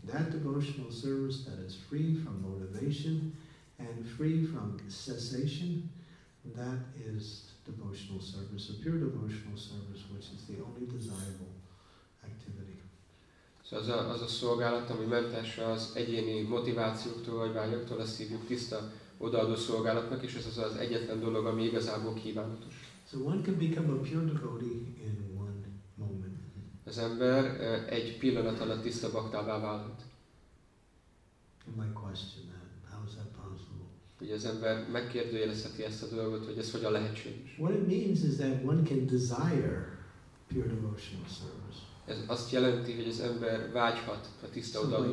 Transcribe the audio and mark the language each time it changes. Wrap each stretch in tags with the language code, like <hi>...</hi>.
<en>That devotional service that is free from motivation and free from cessation, that is devotional service, a pure devotional service, which is the only desirable activity.</en> <hu>Szóval az a szolgálat, ami mentes az egyéni motivációktól vagy vágyoktól, azt hívjuk tiszta odaadó szolgálatnak, és ez az az egyetlen dolog, ami igazából kívánatos.</hu> <en>So one can become a pure devotee in one moment.</en> <hu>Az ember egy pillanat alatt tiszta baktává válhat.</hu> <en>You might question that. How is that possible?</en> <hu>Ugye az ember megkérdőjelezheti ezt a dolgot, hogy ez hogyan lehetséges.</hu> <en>What it means is that one can desire pure devotional service.</en> <hu>Ez azt jelenti, hogy az ember vágyhat a tiszta odaadó</hu>